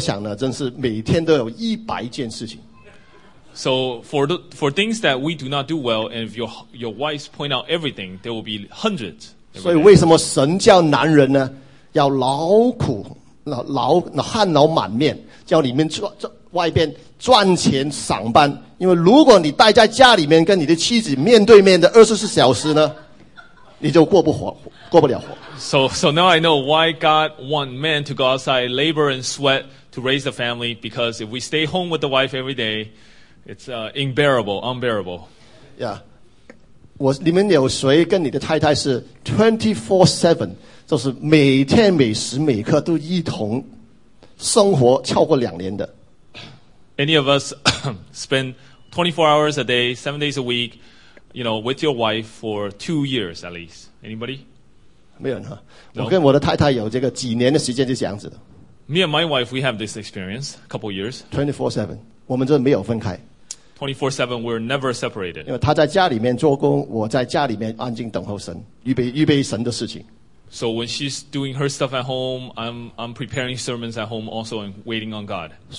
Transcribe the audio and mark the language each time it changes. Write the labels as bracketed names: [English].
[Chinese] 如果每一件事情你做的不完全的，你的妻子点出来的时候，我想呢，真是每天都有100件事情。 [English] So for things that we do not do well, and if your wife point out everything, there will be hundreds. [Chinese] 所以为什么神叫男人呢，要劳苦，劳汗劳满面，叫里面赚外边赚钱赏班？因为如果你待在家里面跟你的妻子面对面的24小时呢， [English] So now I know why God want men to go outside, labor and sweat to raise the family, because if we stay home with the wife every day, it's unbearable. Yeah. [Chinese] 你们有谁跟你的太太是 24/7, 就是每天每时每刻都一同生活超过两年的? [English] Any of us spend 24 hours a day, 7 days a week, you know, with your wife for 2 years at least? Anybody? [Chinese] 没有人啊。我跟我的太太有这个几年的时间是这样子的。 [English] Me and my wife, we have this experience, a couple years. [Chinese] 24/7, 我们就没有分开。 [English] 24/7, we're never separated. [Chinese] 因为她在家里面做工, 我在家里面安静等候神, 预备神的事情。 [English] So when she's doing her stuff at home, I'm preparing sermons at home also and waiting on God.